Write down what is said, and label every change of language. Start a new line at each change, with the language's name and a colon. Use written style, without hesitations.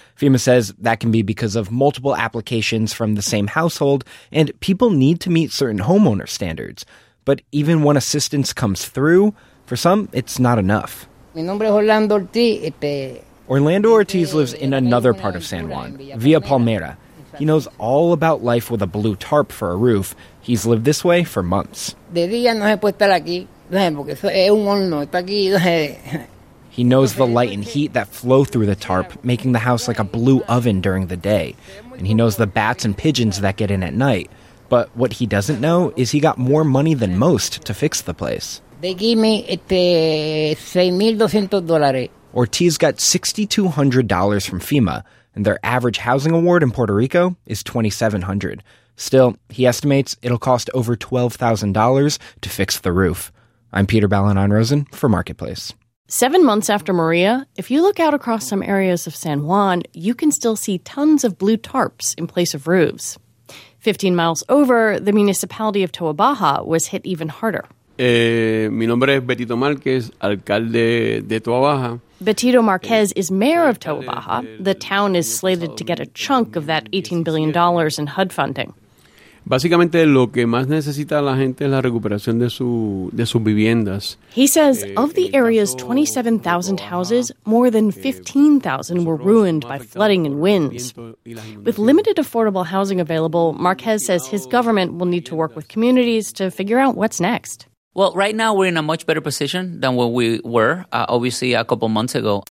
English: FEMA says that can be because of multiple applications from the same household, and people need to meet certain homeowner standards. But even when assistance comes through, for some, it's not enough.
Spanish: Mi nombre es Orlando Ortiz.
English: Orlando Ortiz lives in another part of San Juan, Villa Palmera. He knows all about life with a blue tarp for a roof. He's lived this way for months.
Spanish: De día no se puede estar aquí, porque eso es un horno, está aquí.
English: He knows the light and heat that flow through the tarp, making the house like a blue oven during the day. And he knows the bats and pigeons that get in at night. But what he doesn't know is he got more money than most to fix the place. They give me $6,200. Ortiz got $6,200 from FEMA, and their average housing award in Puerto Rico is $2,700. Still, he estimates it'll cost over $12,000 to fix the roof. I'm Peter Balanon Rosen for Marketplace. 7 months after Maria, if you look out across some areas of San Juan, you can still see tons of blue tarps in place of roofs. 15 miles over, the municipality of Toa Baja was hit even harder.
Spanish: Mi nombre es Betito Márquez, alcalde de Toa Baja.
English: Betito Márquez is mayor of Toa Baja. The town is slated to get a chunk of that $18 billion in HUD funding.
Spanish: Básicamente, lo que más necesita la gente es la recuperación de sus viviendas.
English: He says of the area's 27,000 houses, more than 15,000 were ruined by flooding and winds. With limited affordable housing available, Márquez says his government will need to work with communities to figure out what's next. Well, right now we're in a much better position than what we were, obviously, a couple months ago.